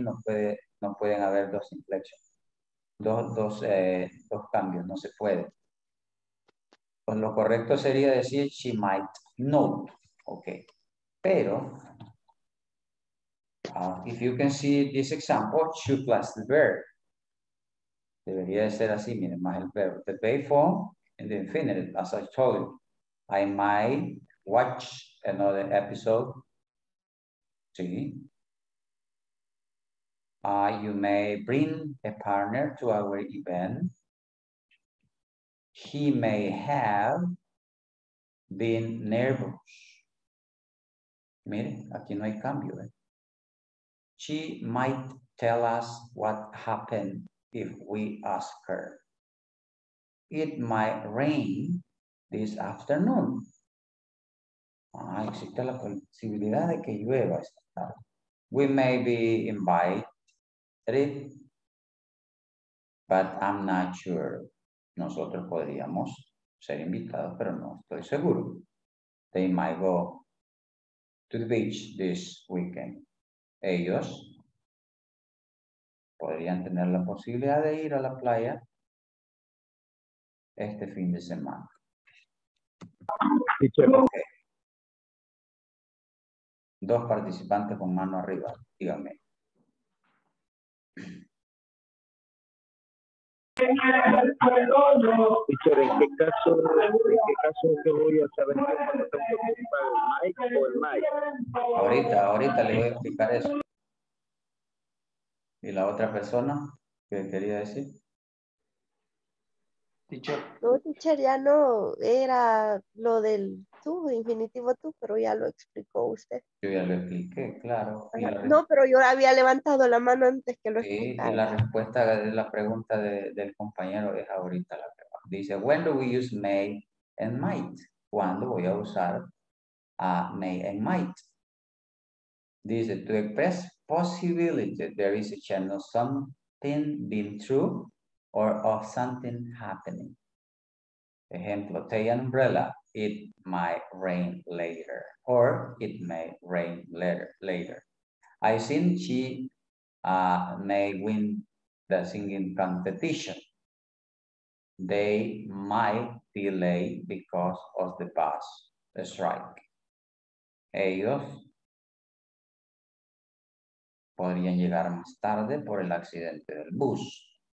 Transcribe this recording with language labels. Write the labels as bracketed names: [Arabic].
[Spanish] No pueden haber dos inflections. Dos cambios. No se puede. Pues lo correcto sería decir, [English] she might know. [Spanish] Ok. Pero... [English] if you can see this example, should plus the verb. [Spanish] Debería de ser así, miren, más el verbo. [English] The waveform in the infinitive, as I told you. I might watch another episode. Sí. You may bring a partner to our event. He may have been nervous. [Spanish] Miren, aquí no hay cambio, ¿eh? [English] She might tell us what happened if we ask her. It might rain this afternoon. [Spanish] Ah, existe la posibilidad de que llueva esta tarde. [English] We may be invited, but I'm not sure. [Spanish] Nosotros podríamos ser invitados, pero no estoy seguro. [English] They might go to the beach this weekend. [Spanish] Ellos podrían tener la posibilidad de ir a la playa este fin de semana. [English] Teacher. Okay. [Spanish] Dos participantes con mano arriba, dígame. Teacher, ¿en qué caso yo voy a saber cuando tengo que ocupar el mic o el mic? Ahorita le voy a explicar eso. ¿Y la otra persona que quería decir? [English] Teacher. [Spanish] No, teacher, ya no era lo del tú, infinitivo tú, pero ya lo explicó usted. Yo ya lo expliqué, claro. No, pero yo había levantado la mano antes que lo explicara. Y la respuesta de la pregunta del compañero es ahorita la que va. [English] Dice, when do we use may and might? [Spanish] ¿Cuándo voy a usar a may and might? [English] Dice, to express possibility that there is a chance of something being true or of something happening. Ejemplo, take an umbrella. It might rain later, or it may rain later. I think she may win the singing competition. They might delay because of the bus strike. [Spanish] Ellos podrían llegar más tarde por el accidente del bus.